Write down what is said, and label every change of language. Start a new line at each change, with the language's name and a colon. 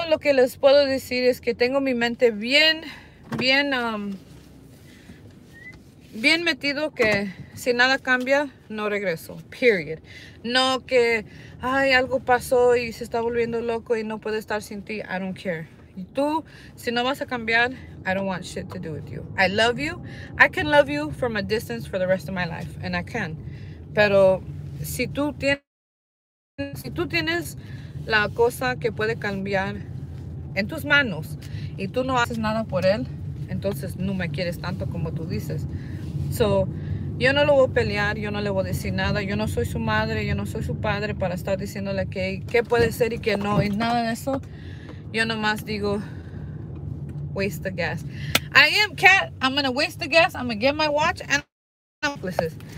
Spanish: Lo que les puedo decir es que tengo mi mente bien, bien, bien metido que si nada cambia, no regreso. Period. No que, ay, algo pasó y se está volviendo loco y no puede estar sin ti.
English: I don't care.
Spanish: Y tú, si no vas a cambiar,
English: I don't want shit to do with you. I love you. I can love you from a distance for the rest of my life. And I can.
Spanish: Pero si tú tienes la cosa que puede cambiar en tus manos y tú no haces nada por él, entonces no me quieres tanto como tú dices. So, yo no lo voy a pelear, yo no le voy a decir nada, yo no soy su madre, yo no soy su padre para estar diciéndole qué puede ser y qué no, y nada de eso. Yo nomás digo,
English: waste the gas. I am Cat, I'm gonna waste the gas, I'm gonna get my watch and necklaces.